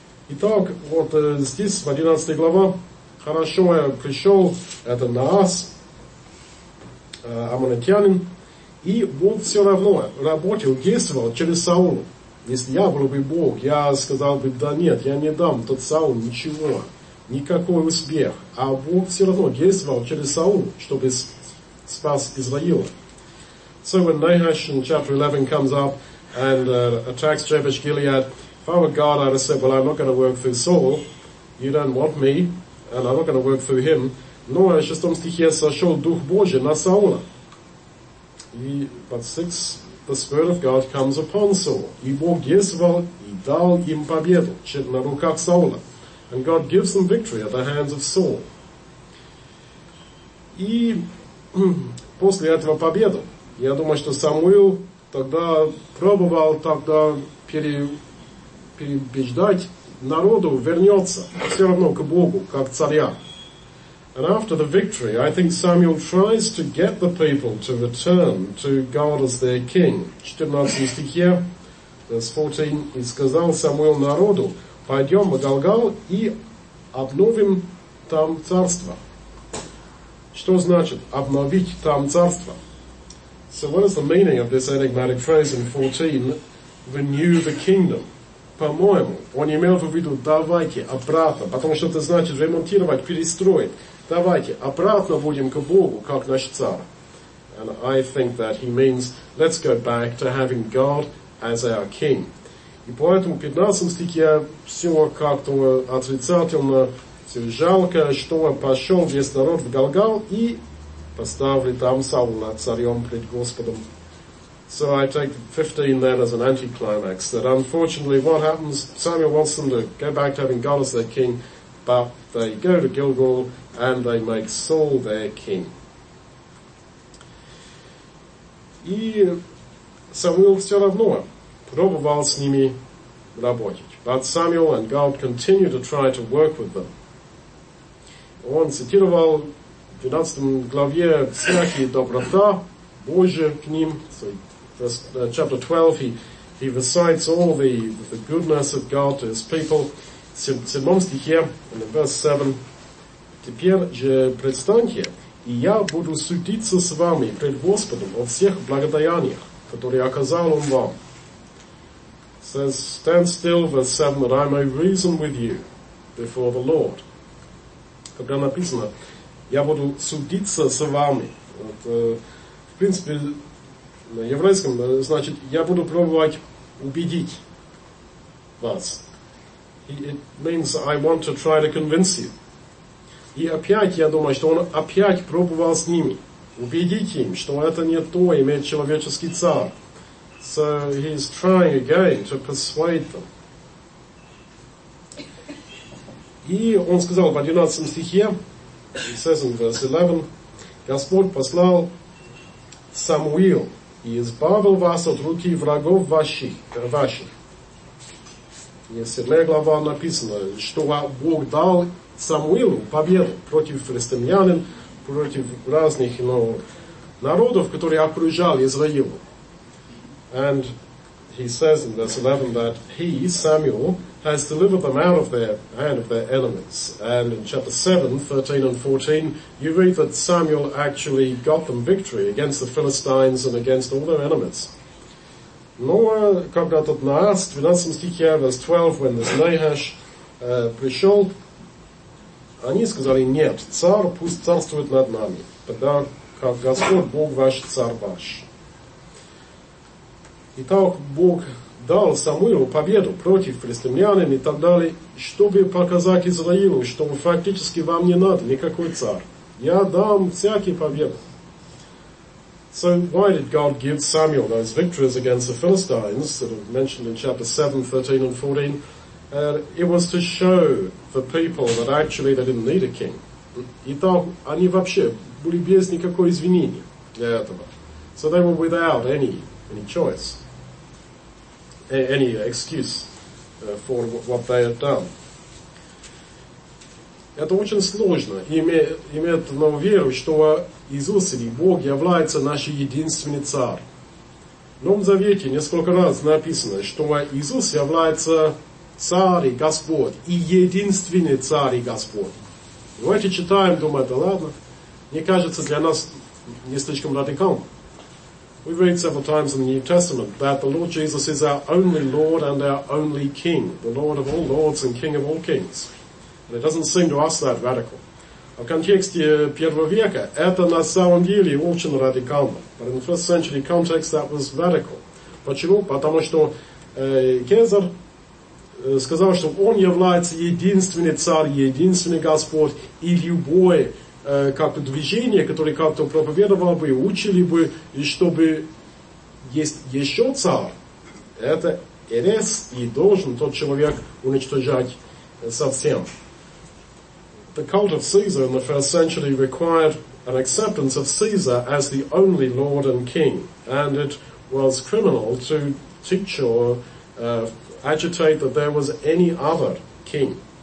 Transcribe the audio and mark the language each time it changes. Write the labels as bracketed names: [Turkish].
[Russian] Итак, вот здесь, в 11 главе, хорошо я пришел, это Наас, аммонитянин, и Бог все равно работал, действовал через Саула. Если я был бы Бог, я сказал бы, да нет, я не дам тот Саул ничего, никакой успех. А Бог все равно действовал через Саул, чтобы спас Израиля. [English] So when Nahash in chapter 11 comes up and attacks Jabesh Gilead, if I were God, I'd have said, well, I'm not going to work through Saul, you don't want me, and I'm not going to work through him. [Russian] Но в 6 стихе сошел Дух Божий на Саула. И под 6, [English] the Spirit of God comes upon Saul. [Russian] И Бог действовал и дал им победу на руках Саула. [English] And God gives them victory at the hands of Saul. [Russian] И после этого победы, я думаю, что Самуил тогда пробовал тогда переубеждать народу вернется все равно к Богу, как царя. [English] And after the victory, I think Samuel tries to get the people to return to God as their king. [Russian] 14 стихе, [English] verse 14, [Russian] и сказал Самуил народу, пойдем в Галгал и обновим там царство. Что значит обновить там царство? [English] So what is the meaning of this enigmatic phrase in 14, renew the kingdom? [Russian] По-моему, он имел в виду давайте обратно, потому что это значит ремонтировать, перестроить. Давайте обратно будем к Богу, как наш царь. [English] And I think that he means, let's go back to having God as our king. [Russian] И поэтому в 15 стихе все как-то отрицательно, все жалко, что пошел весь народ в Галгал и поставили там Саула царем пред Господом. [English] So I take 15 then as an anticlimax, that unfortunately what happens, Samuel wants them to go back to having God as their king, but they go to Gilgal, and they make Saul their king. [Russian] И Самуил все равно пробовал с ними работать. [English] But Samuel and God continue to try to work with them. [Russian] Он цитировал в 12 главе всякие доброта Божия к ним. [English] So, chapter 12, he recites all the goodness of God to his people. [Russian] В 7 стихе, [English] in verse 7, [Russian] теперь же предстаньте, и я буду судиться с вами пред Господом о всех благодеяниях, которые оказал он вам. [English] It says, stand still, verse 7, that I may reason with you before the Lord. [Russian] Когда написано, я буду судиться с вами. Вот, в принципе, на еврейском, значит, я буду пробовать убедить вас. [English] It means I want to try to convince you. [Russian] И опять, я думаю, что он опять пробовал с ними. Убедить им, что это не то, иметь человеческий царь. [English] So he's trying again to persuade them. [Russian] И он сказал в 11 стихе, [English] he says in verse 11, [Russian] Господь послал Самуил и избавил вас от руки врагов ваших. И в 7 главе написано, что Бог дал Самуилу победу против филистимлян, против разных народов, которые окружали Израиль. [English] And he says in verse 11 that he, Samuel, has delivered them out of the hand of their enemies. And in chapter 7, 13 and 14, you read that Samuel actually got them victory against the Philistines and against all their enemies. [Russian] Но когда тот Наас, 12 стихе, [English] verse 12, when this Nahash [Russian] пришел, они сказали, нет, царь пусть царствует над нами, тогда как Господь Бог ваш, царь ваш. Итак, Бог дал Самуилу победу против филистимлян и так далее, чтобы показать Израилю, что фактически вам не надо никакой царь. Я дам всякие победы. [English] So why did God give Samuel those victories against the Philistines that are mentioned in chapter 7, 13 and 14? It was to show the people that actually they didn't need a king. [Russian] Итак, они вообще были без никакого извинения для этого. [English] So they were without any choice, any excuse for what they had done. [Russian] Это очень сложно иметь на веру, что Иисус или Бог является нашим единственным царем. В Новом Завете несколько раз написано, что Иисус является царь и Господь, и единственный царь и Господь. Давайте читаем, думаем, да ладно, мне кажется, для нас не слишком радикально. [English] We read several times in the New Testament that the Lord Jesus is our only Lord and our only King, the Lord of all lords and King of all kings. And it doesn't seem to us that radical. [Russian] В контексте первого века это на самом деле очень радикально. [English] But in the first century context that was radical. [Russian] Почему? Потому что Кезар сказал, что он является единственный царь, единственный Господь, и любое как движение, которое как-то проповедовало бы, учили бы, и чтобы есть еще царь, это эрес, и должен тот человек уничтожать совсем. [English] The cult of Caesar in the first century required an acceptance of Caesar as the only lord and king, and it was criminal to teach or agitate that there was any other king.